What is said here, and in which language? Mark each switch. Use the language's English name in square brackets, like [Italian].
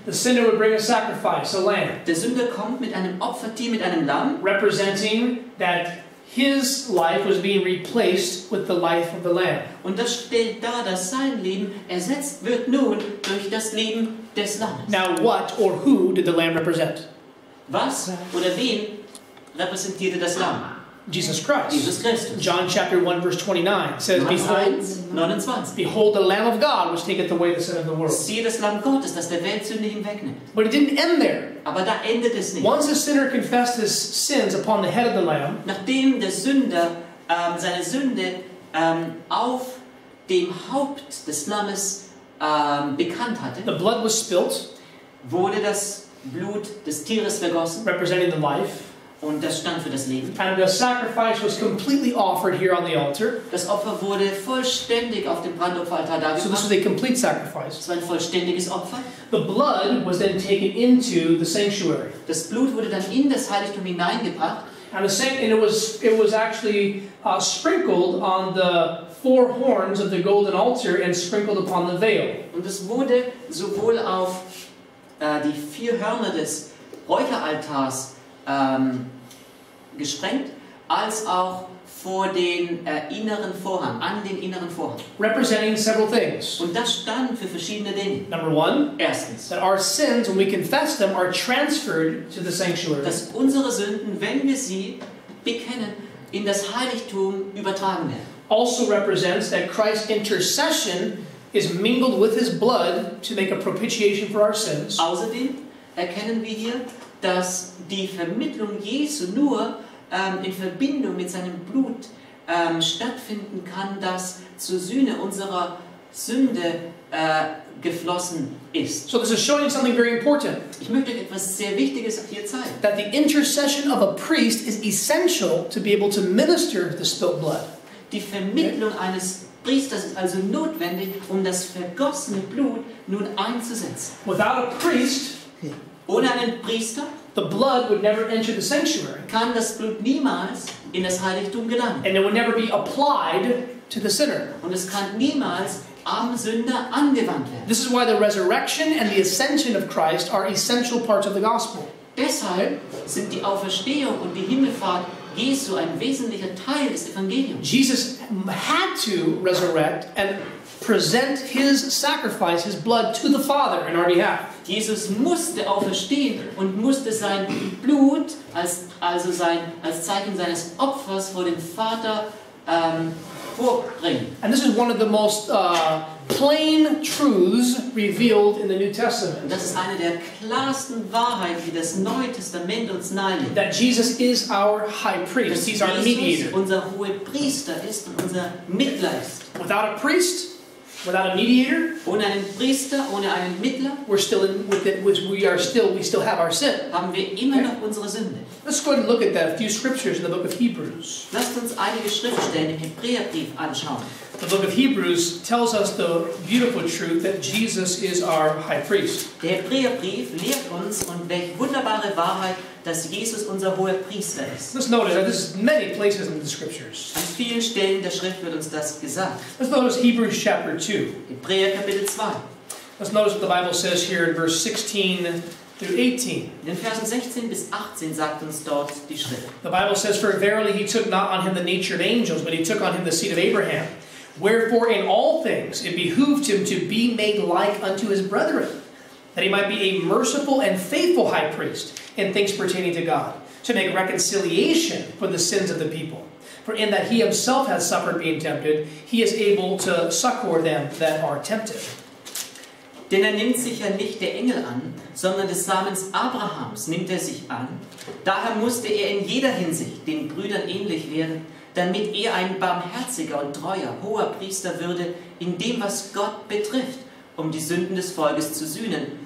[English] The sinner would bring a sacrifice, a lamb. [German] Der Sünder kommt mit einem Opfertier, mit einem Lamm. [English] Representing that his life was being replaced with the life of the Lamb. [German] Und das stellt dar, dass sein Leben ersetzt wird nun durch das Leben des Lammes. [English] Now what or who did the Lamb represent? [German] Was oder wen repräsentierte das Lamm? [English] Jesus Christ. [German] Jesus Christus. [English] John chapter 1 verse 29 says, Behold the Lamb of God which taketh away the sin of the world. [German] Siehe das Lamm Gottes, das der Welt Sünde hinwegnimmt. [English] But it didn't end there. [German] Aber da endet es nicht. [English] Once a sinner confessed his sins upon the head of the Lamb, [German] nachdem der Sünder seine Sünde auf dem Haupt des Lammes bekannt hatte, [English] the blood was spilt, [German] wurde das Blut des Tieres vergossen, [English] representing the life. [German] Und das stand für das Leben. [English] And the sacrifice was completely offered here on the altar. [German] Das Opfer wurde vollständig auf dem Brandopferaltar dargebracht. [English] So this was a complete sacrifice. [German] Es war ein vollständiges Opfer. [English] The blood was then taken into the sanctuary. [German] Das Blut wurde dann in das Heiligtum hineingebracht. [English] And it was actually sprinkled on the four horns of the golden altar and sprinkled upon the veil. [German] Und es wurde sowohl auf die vier Hörner des Räucheraltars gesprengt, als auch vor den inneren Vorhang, an den inneren Vorhang. [English] Representing several things. [German] Und das stand für verschiedene Dinge. [English] Number one. [German] Erstens. [English] That our sins, when we confess them, are transferred to the sanctuary. [German] Dass unsere Sünden, wenn wir sie bekennen, in das Heiligtum übertragen werden. [English] Also represents that Christ's intercession is mingled with his blood to make a propitiation for our sins. [German] Außerdem erkennen wir hier, dass die Vermittlung Jesu nur in Verbindung mit seinem Blut stattfinden kann, das zur Sühne unserer Sünde geflossen ist. [English] So this is showing something very important. [German] Ich möchte euch etwas sehr Wichtiges hier zeigen. [English] That the intercession of a priest is essential to be able to minister the spilled blood. [German] Die Vermittlung eines Priesters ist also notwendig, um das vergossene Blut nun einzusetzen. [English] Without a priest, [German] ohne einen Priester, [English] the blood would never enter the sanctuary. [German] Kann das Blut niemals in das Heiligtum gelangen. [English] And it would never be applied to the sinner. [German] Und es kann niemals am Sünder angewandt werden. [English] This is why the resurrection and the ascension of Christ are essential parts of the gospel. [German] Deshalb sind die Auferstehung und die Himmelfahrt Jesu ein wesentlicher Teil des Evangeliums. [English] Jesus had to resurrect and present his sacrifice, his blood, to the Father in our behalf. [German] Jesus musste auferstehen und musste sein Blut als Zeichen seines Opfers vor dem Vater vorbringen. [English] And this is one of the most plain truths revealed in the New Testament. [German] Das ist eine der klarsten Wahrheiten, die das Neue Testament uns nahelegt. [English] That Jesus is our high priest. [German] Dass [English] he's our mediator. [German] Jesus unser hoher Priester ist und unser Mittler ist. [English] Without a priest, without a mediator, [German] ohne einen Priester, ohne einen Mittler, [English] we still have our sin. [German] Haben wir immer noch unsere Sünde. [English] Let's go ahead and look at that, a few scriptures in the book of Hebrews. [German] Lasst uns einige Schriftstellen im Hebräerbrief anschauen. [English] The book of Hebrews tells us the beautiful truth that Jesus is our high priest. [German] Der Hebräerbrief lehrt uns und welch wunderbare Wahrheit, dass Jesus unser hoher Priester ist. [English] Let's notice that this is many places in the scriptures. [German] An vielen Stellen der Schrift wird uns das gesagt. [English] Let's notice Hebrews chapter 2. [German] Hebräer Kapitel 2. [English] Let's notice what the Bible says here in verse 16 through 18. [German] In den Versen 16 bis 18 sagt uns dort die Schrift. [English] The Bible says, "For verily he took not on him the nature of angels, but he took on him the seed of Abraham. Wherefore in all things it behooved him to be made like unto his brethren, that he might be a merciful and faithful high priest in things pertaining to God, to make reconciliation for the sins of the people. For in that he himself hath suffered being tempted, he is able to succor them that are tempted." [German] Denn nimmt sich ja nicht der Engel an, sondern des Samens Abrahams nimmt sich an. Daher musste in jeder Hinsicht den Brüdern ähnlich werden, damit ein barmherziger und treuer, hoher Priester würde in dem, was Gott betrifft, die Sünden des Volkes zu sühnen.